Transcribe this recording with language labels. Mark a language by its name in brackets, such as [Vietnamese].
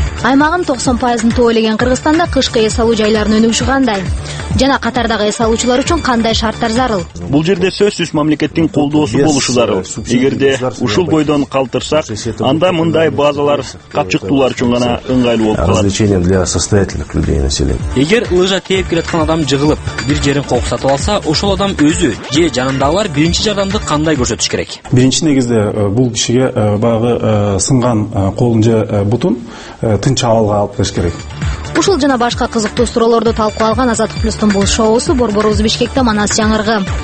[Kyrgyz] Аймагын 90% тоолеген Кыргызстанда кышкы эс алуу жайларын өнүгүшү кандай? Жана Катардагы эс алуучулар үчүн кандай шарттар зарыл? Бул жерде сөзсүз мамлекеттин колдоосу болушу зарыл. Эгерде ушул бойдон калтырсак, анда мындай базалар капчыктуулар үчүн гана ыңгайлуу болуп калат. [Russian] Развлечение для состоятельных людей населения. [Kyrgyz] Эгер лыжа тээп келаткан адам жыгылып, бир жерин коопсатып алса, ошол адам өзү же жанындагылар биринчи жардамды кандай көрсөтүш керек? Биринчи негизде бул кишиге баягы сынган колун же бутун тынч абалга алып келиш керек. Ушул жана башка кызыктуу суроолорду талкуу алган Азаттык Плюстун бул шоусу борборубуз Бишкекте Манас жаңыргы.